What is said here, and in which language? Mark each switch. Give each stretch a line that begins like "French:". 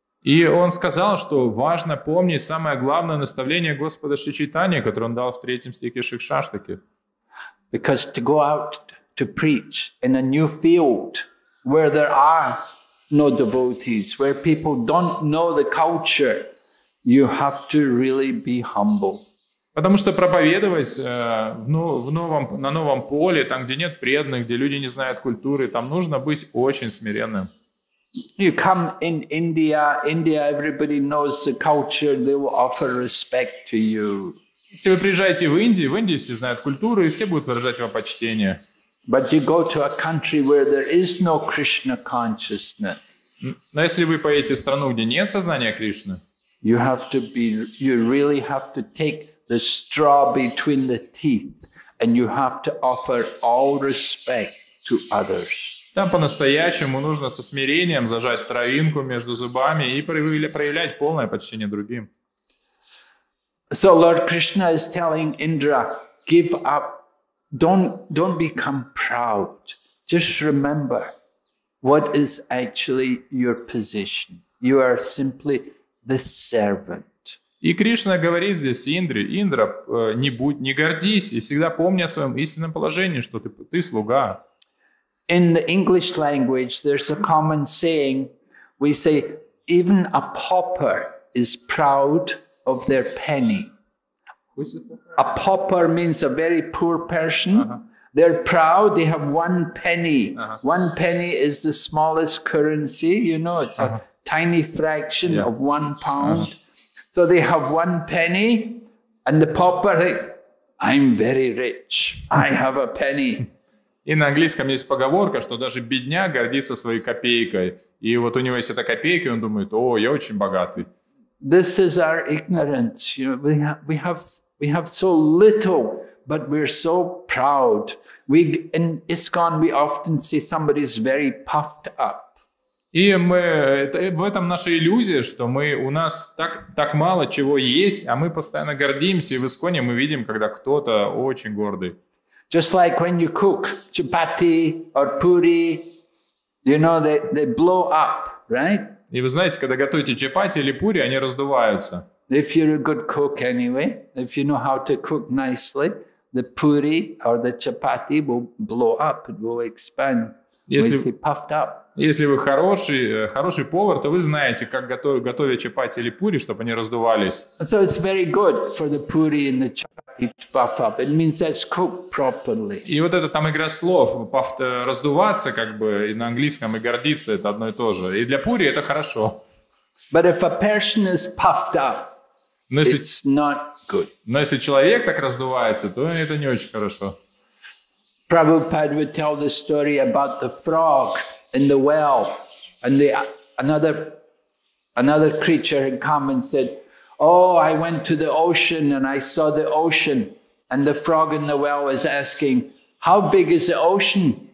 Russian: И он сказал, что важно помнить самое главное наставление Господа Шри Чайтаньи, которое он дал в третьем стихе Шикшаштаки.
English: Because to go out to preach in a new field where there are no devotees, where people don't know the culture, you have to really be humble.
Russian: Потому что проповедовать на новом поле, там, где нет преданных, где люди не знают культуры, там нужно быть очень смиренным.
English: You come in India. India, everybody knows the culture. They will offer respect to you.
Russian: Если вы приезжаете в Индии все знают культуру и все будут выражать вам почтение.
English: But you go to a country where there is no Krishna consciousness.
Russian: Но если вы поедете в страну, где нет сознания Кришны,
English: you have to be. You really have to take the straw between the teeth, and you have to offer all respect to others.
Russian: Там по-настоящему нужно со смирением зажать травинку между зубами и проявлять полное почтение другим.
English: So Lord Krishna is telling Indra, give up, don't become proud. Just remember what is actually your position. You are simply the servant.
Russian: И Кришна говорит здесь Индре, Индра, не гордись и всегда помни о своем истинном положении, что ты слуга.
English: In the English language, there's a common saying, we say, even a pauper is proud of their penny. A pauper means a very poor person. Uh-huh. They're proud, they have one penny. Uh-huh. One penny is the smallest currency, you know, it's uh-huh. a tiny fraction yeah. of 1 pound. Uh-huh. So they have one penny, and the pauper, I'm very rich, I have a penny.
Russian: И на английском есть поговорка, что даже бедняк гордится своей копейкой. И вот у него есть эта копейка, и он думает, о, я очень богатый.
English: This is our ignorance. You know, we have so little, but we're so proud. We in ISKCON we often see somebody's very puffed up.
Russian: И мы, в этом наша иллюзия, что мы, у нас так мало чего есть, а мы постоянно гордимся. И в ИСКОНе мы видим, когда кто-то очень гордый.
English: Just like when you cook chapati or puri, you know, they blow up, right?
Russian: И вы знаете, когда готовите чапати или пури, они раздуваются.
English: If you're a good cook anyway, if you know how to cook nicely, the puri or the chapati will blow up, it will expand.
Russian: Если вы хороший повар, то вы знаете, как готовить чапати или пури, чтобы они раздувались.
English: So it's very good for the puri and the chapati to puff up. It means that's cooked properly.
Russian: И вот это там игра слов, раздуваться, как бы, и на английском, и гордиться, это одно и то же. И для пури это хорошо.
English: But if a person is puffed up,
Russian: Но если человек так раздувается, то это не очень хорошо.
English: Prabhupada would tell the story about the frog in the well, and the another creature had come and said, "Oh, I went to the ocean and I saw the ocean." And the frog in the well was asking, "How big is the ocean?